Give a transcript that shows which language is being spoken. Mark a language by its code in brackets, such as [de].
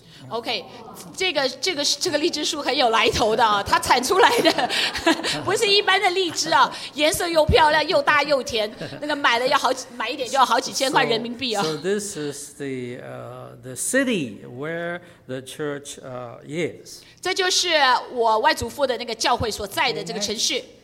[zh] OK, 这个荔枝树很有来头的啊，它产出来的不是一般的荔枝啊，颜色又漂亮又大又甜，那个买一点就要好几千块人民币啊。 [en] So this is the city where the church is. [zh] 这就是我外祖父的那个教会所在的这个城市。